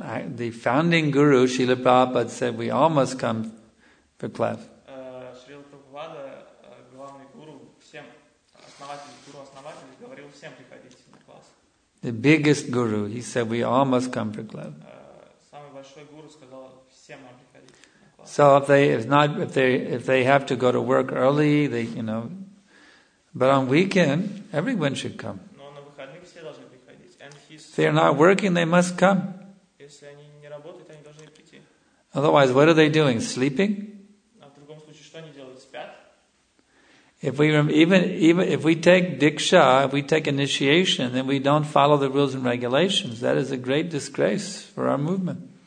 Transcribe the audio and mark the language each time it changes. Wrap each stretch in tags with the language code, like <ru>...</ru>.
<en>The founding guru, Srila Prabhupada, said we all must come for class.</en> <ru>Srila Prabhupada, главный guru, всем основатель, guru основатель, говорил всем приходить на класс.</ru> <en>The biggest guru, he said we all must come for class.</en> <ru>Самый большой guru сказал всем нам приходить на класс.</ru> <en>So if they have to go to work early, they, you know, but on weekend, everyone should come.</en> <ru>Но на выходных все должны приходить.</ru> <en>And if they're not working, they must come.</en> <ru>Если они не работают, они должны прийти.</ru> <en>Otherwise, what are they doing? Sleeping?</en> <ru>А в другом случае, что они делают? Спят?</ru> <en>If we take diksha, if we take initiation, then we don't follow the rules and regulations, that is a great disgrace for our movement.</en>